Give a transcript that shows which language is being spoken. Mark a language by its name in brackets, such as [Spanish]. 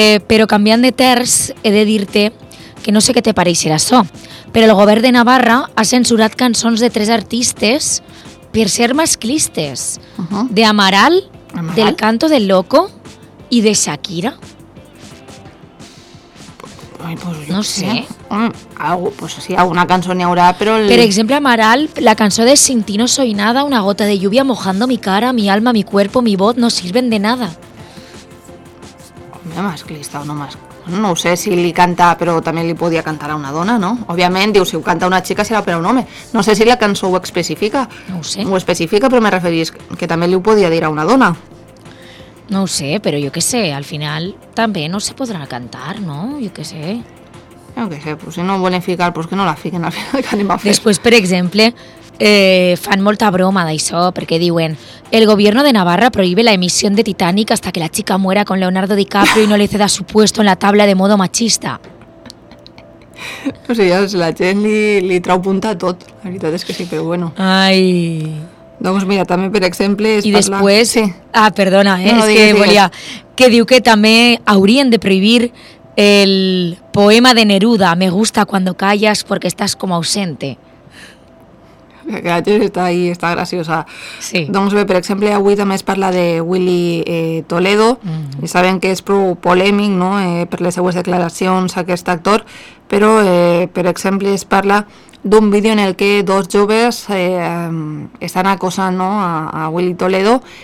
[Catalan] Però canviant de terç, he de dir-te que no sé què te pareixerà això, però el govern de Navarra ha censurat cançons de tres artistes per ser masclistes, uh-huh. De Amaral, Amaral, del Canto del Loco i de Shakira. Ai, pues, no sé. Pues, sí, alguna cançó n'hi haurà, però... Per exemple, Amaral, la cançó de [Spanish] Sin ti no soy nada, una gota de lluvia mojando mi cara, mi alma, mi cuerpo, mi voz, no sirven de nada. [Catalan] Home, masclista o no masclista. No sé si li canta, però també li podia cantar a una dona, no? Òbviament, diu, si ho canta una xica serà per a un home. No sé si la cançó ho especifica. No ho sé. Ho especifica, però me referís que també li ho podia dir a una dona. No ho sé, però jo què sé, al final també no se podrà cantar, no? Jo què sé. Jo què sé, pues si no ho volen ficar, pues que no la fiquen al final que anem a fer. Després, per exemple, fan molta broma d'això, perquè diuen [Spanish] el gobierno de Navarra prohíbe la emisión de Titanic hasta que la chica muera con Leonardo DiCaprio y no le ceda su puesto en la tabla de modo machista. O sea, [Catalan] la gent li trau punta a tot. La veritat és que sí, però bueno. Ai... Doncs mira, també per exemple... I després... Sí. Ah, perdona, no, és que digues. Volia... Que diu que també haurien de prohibir el poema de Neruda, [Spanish] me gusta cuando callas porque estás como ausente. [Catalan] Que la gent està ahí, està graciosa. Sí. Doncs bé, per exemple, avui també es parla de Willy Toledo, mm-hmm. I sabem que és prou polèmic, no?, per les seues declaracions a aquest actor, però, per exemple, es parla d'un vídeo en el que dos joves estan acosant, no?, a Willy Toledo.